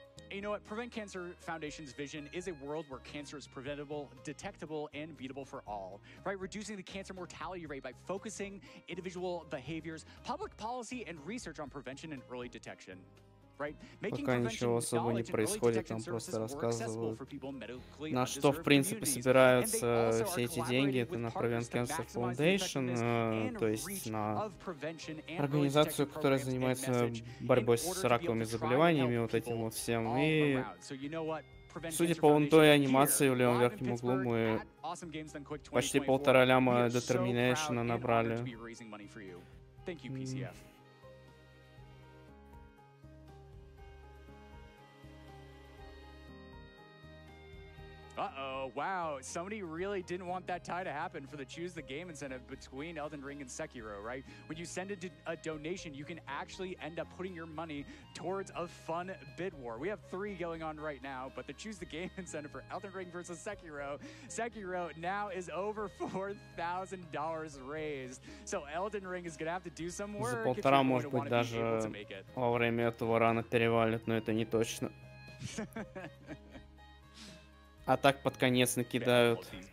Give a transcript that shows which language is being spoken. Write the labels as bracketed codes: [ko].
[en] And you know what? Prevent Cancer Foundation's vision is a world where cancer is preventable, detectable, and beatable for all. Right? Reducing the cancer mortality rate by focusing individual behaviors, public policy, and research on prevention and early detection. Right? [ru] Пока ничего особо не происходит, там просто рассказывают, на что, в принципе, собираются все эти деньги. Это на Prevent Cancer Foundation, то есть на организацию, которая занимается борьбой с раковыми заболеваниями, вот этим вот всем. И судя по вон той анимации в левом верхнем углу, мы почти 1.5 ляма Determination набрали. [en] Uh-oh, wow. Sony really didn't want that tie to happen for the Choose the Game incentive between Elden Ring and Sekiro, right? When you send a donation, you can actually end up putting your money towards a fun bid war. We have three going on right now, but the Choose the Game incentive for Elden Ring versus Sekiro now is over $4,000 raised. So Elden Ring is going to have to do some work. [ru] За полтора, может быть, даже во время этого рана перевалит, но это не точно. А так под конец накидают.